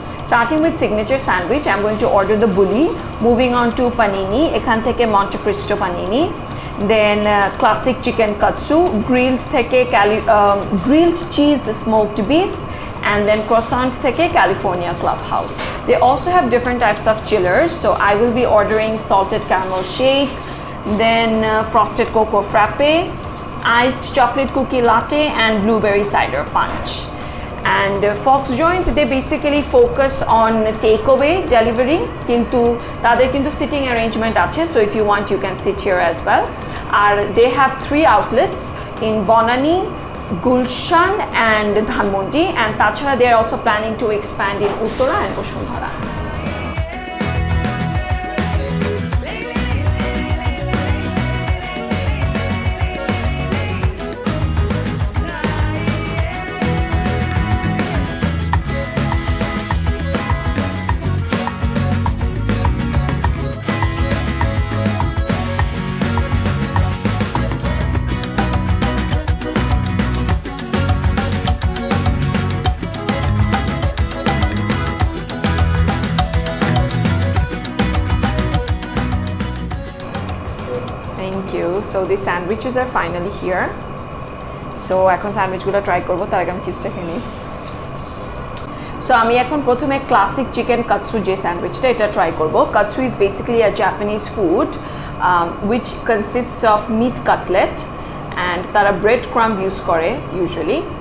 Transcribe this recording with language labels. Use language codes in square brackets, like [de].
[en] starting with signature sandwich, I am going to order the bully, moving on to panini, [bn] এখান থেকে [en] Monte Cristo panini, then classic chicken katsu, grilled থেকে grilled cheese smoked beef, and then croissant theke California Clubhouse. They also have different types of chillers, so I will be ordering salted caramel shake, then frosted cocoa frappe, iced chocolate cookie latte and blueberry cider punch. And Fox Joint, they basically focus on takeaway delivery, [bn] kintu tader kintu [en] sitting arrangement ache, so if you want you can sit here as well. And they have 3 outlets in Bonani, Gulshan and Dhanmondi, and তাছাড়া they are also planning to expand in Uttara and Bashundhara. So the sandwiches are finally here. [bn] So এখন স্যান্ডউইচগুলো try করবো, তার আগে আমি চিপসটা খেয়ে নিই। So আমি এখন প্রথমে ক্লাসিক চিকেন কাতসু যে স্যান্ডউইচটা এটা ট্রাই করবো। [en] Katsu is basically a Japanese food which consists of meat cutlet and তারা bread crumb use করে usually.